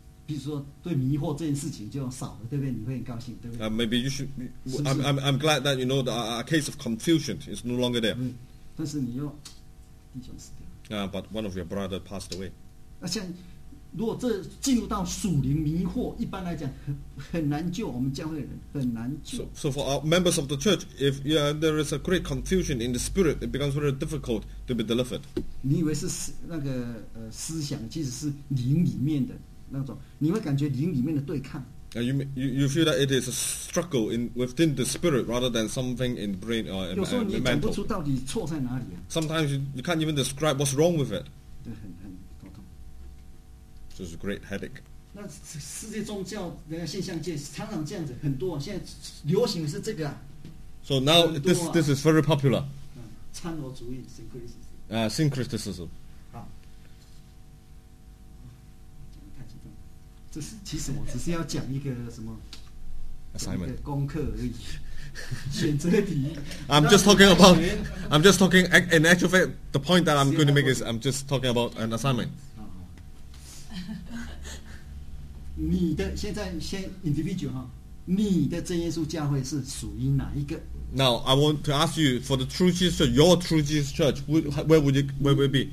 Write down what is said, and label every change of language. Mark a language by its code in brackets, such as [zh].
[zh] 比如说对迷惑这件事情就少了，对不对？你会很高兴，对不对？ [en] Maybe you should. I'm glad that you know that a case of confusion is no longer there. [zh] 但是你又弟兄死掉了。 [en] But one of your brother passed away. [zh] 那像如果这进入到属灵迷惑，一般来讲很难救我们教会的人，很难救。 [en] So for our members of the church, if yeah, there is a great confusion in the spirit, it becomes very difficult to be delivered. [zh] 你以为是那个思想，其实是灵里面的。那种你会感觉灵里面的对抗。 [en] You feel that it is a struggle in within the spirit rather than something in brain or mental. [zh] 有时候你讲不出到底错在哪里、啊。 [en] Sometimes you can't even describe what's wrong with it. [zh] 对，很头痛。就是 [en] great headache. [zh] 那世界宗教的现象界常常这样子，很多现在流行的是这个、啊。 [en] So now、啊、 this is very popular. [zh] 参罗主义 syncretism. [en] Syncretism. [zh] 这是其实我只是要讲一个什么 [en] assignment [zh] 的功课而已，选择题。 [en] I'm just talking in actual fact the point that I'm going to make is I'm just talking about an assignment. [zh] 你的现在先 individual 哈，你的真耶稣教会是属于哪一个 [en] ？Now I want to ask you for the True Jesus Church, your True Jesus Church, where would it be？